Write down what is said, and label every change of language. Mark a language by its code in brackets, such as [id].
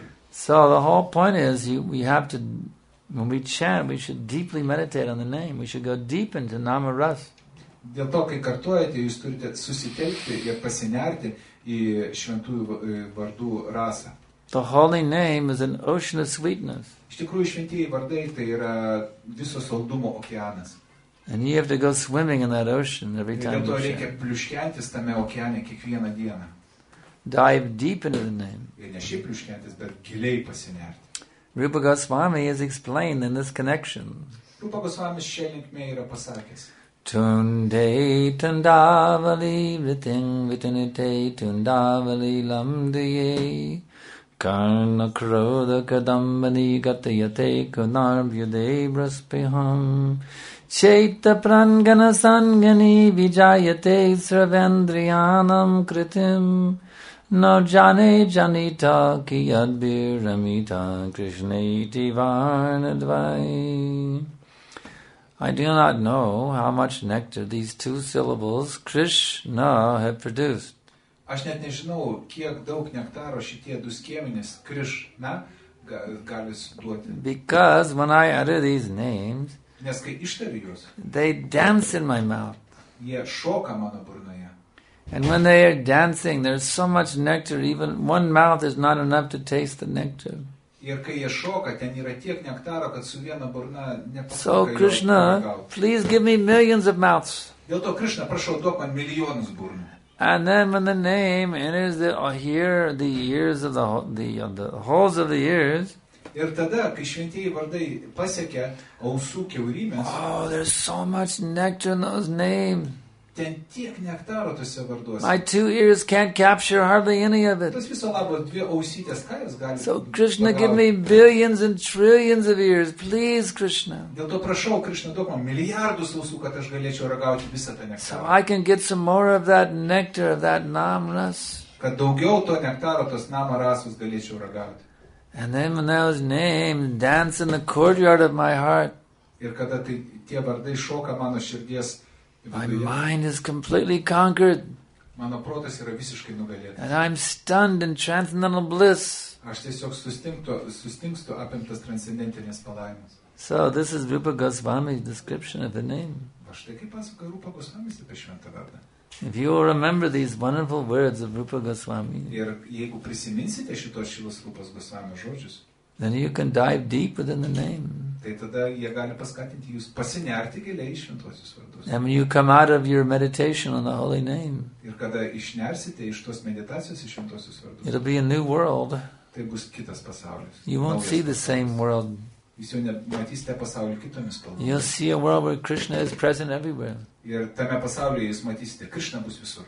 [en] So the whole point is, we have to, when we chant, we should deeply meditate on the name. We should go deep into Nama Ras. [lt] Dėl to, kai kartuojate, jūs turite susitelkti ir pasinerti į šventųjų vardų rasą. [en] The holy name is an ocean of sweetness. [lt] Iš tikrųjų, šventieji vardai tai yra viso saldumo okeanas. [en] And you have to go swimming in that ocean every time. [lt] Dėl to reikia pliuškentis tame okeane kiekvieną dieną. [en] Dive deep into the name. [lt] Ir ne šiaip pliuškentis, bet giliai pasinerti. [en] Rupa Goswami has explained in this connection. [lt] Rupa Goswami šia linkme yra pasakęs. [sa] Tunde tundavali vitin vitinite tundavali lamdiye Karna krodha kadambani gatayate kunarvyude braspiham Chaita prangana sangani vijayate sravendriyanam kritim No jane janita kiyadbiramita krishneti varnadvai. [en] I do not know how much nectar these two syllables Krishna have produced. [lt] Aš net nežinau, kiek daug nektaro šitie du skiemenys Krishna gali duoti. [en] Because when I utter these names, [lt] nes kai ištariu juos, [en] they dance in my mouth. [lt] Jie šoka mano burnoje. [en] And when they are dancing, there's so much nectar, even one mouth is not enough to taste the nectar. [lt] Ir kai jie šoka, ten yra tiek nektaro, kad su viena burna nepakanka. [en] So Krishna, please give me millions of mouths. [lt] Dėl to Krishna, prašau, duok man milijonus burnų. [en] And then when the name enters the here the ears of the holes of the ears. [lt] Ir tada, kai šventieji vardai pasiekia ausų kiaurymės. [en] Oh, there's so much nectar in those names. [lt] Ten tiek nektaro tose varduose. [en] My two ears can't capture hardly any of it. [lt] Tas viso labo dvi ausytės, ką jūs galite. [en] So Krishna, give me billions and trillions of ears, please, Krishna. [lt] Dėl to prašau, Krishna, duok man milijardus ausų, kad aš galėčiau ragauti visą tą nektarą. [en] So I can get some more of that nectar, of that namras. [lt] Kad daugiau to nektaro, tos namarasus galėčiau ragauti. [en] And then when those names dance in the courtyard of my heart. [lt] Ir kada tie vardai šoka mano širdies. [en] My mind is completely conquered. [lt] Mano protas yra visiškai nugalėtas. [en] And I'm stunned in transcendental bliss. [lt] Aš tiesiog sustingstu apimtas transcendentinės palaimos. [en] So this is Rupa Goswami's description of the name. [lt] Aš tai kaip pasakoja Rupa Goswami apie šventą vardą. [en] If you will remember these wonderful words of Rupa Goswami. [lt] Ir jeigu prisiminsite šitos šilos Rupas Goswami žodžius. [en] Then you can dive deep within the name. [lt] Tai tada jie gali paskatinti jūs pasinerti giliai į šventuosius vardus. [en] And when you come out of your meditation on the holy name. [lt] Ir kada išnersite iš tos meditacijos į šventuosius vardus. [en] It'll be a new world. [lt] Tai bus kitas pasaulis. [en] You won't see the same world. [lt] Jūs jau nematysite pasaulį kitomis spalvomis. [en] You'll see a world where Krishna is present everywhere. [lt] Ir tame pasaulyje jūs matysite, Krishna bus visur.